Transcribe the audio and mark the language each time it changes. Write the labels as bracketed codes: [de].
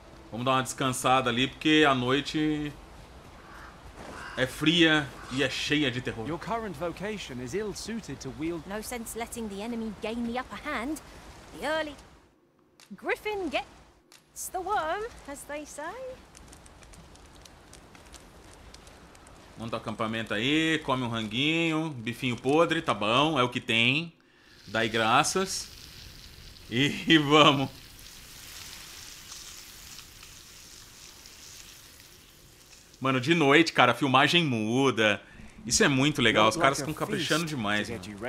[pt] Vamos dar uma descansada ali porque a noite é fria e é cheia de terror. [en] Your current vocation is ill-suited to wield. No sense letting the enemy gain the upper hand. The early Griffin gets the worm, as they say. [pt] Monta acampamento aí, come um ranguinho, bifinho podre, tá bom, é o que tem. Dai graças. E vamos. Mano, de noite, cara, a filmagem muda. Isso é muito legal. Os caras ficam caprichando demais, mano.